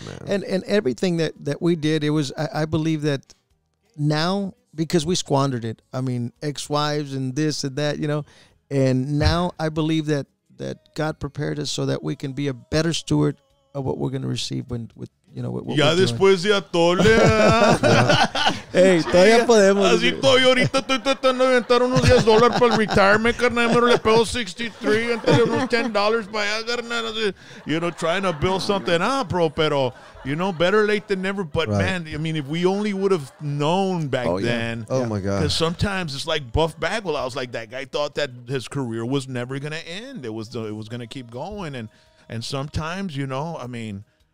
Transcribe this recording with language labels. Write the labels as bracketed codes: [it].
[en] And, and everything that we did, it was, I believe that now, because we squandered it. I mean, ex-wives and this and that, you know. And now I believe that God prepared us so that we can be a better steward of what we're going to receive with you know, what [es] ya después [en] doing. [es] De atole. Hey, todavía podemos. Así estoy ahorita, estoy tratando de aventar unos $10 para el retirement, carnal. Pero le pego 63 and unos $10 para allá, carnal. [en] You know, trying to build something up, bro. Pero, you know, better late than never. But, man, I mean, if we only would have known back then. Oh, yeah. My God. Because sometimes it's like Buff Bagwell. I was like, that guy thought that his career was never going to end. It was going to keep going. And sometimes, you know, I mean...